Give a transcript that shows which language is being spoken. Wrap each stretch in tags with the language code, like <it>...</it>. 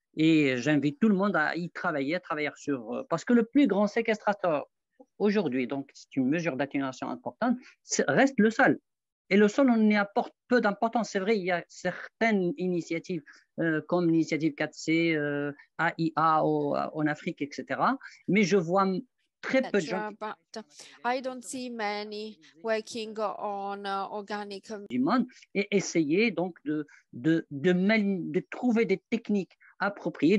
<fr>Et j'invite tout le monde à y travailler, à travailler sur... parce que le plus grand séquestrateur aujourd'hui, donc c'est une mesure d'atténuation importante, reste le sol. Et le sol, on y apporte peu d'importance. C'est vrai, il y a certaines initiatives comme l'initiative 4C, AIA en Afrique, etc. Mais je vois très peu de gens.</fr> <en>But I don't see many working on organic.</en> <fr>Et essayer donc de trouver des techniques appropriées.</fr>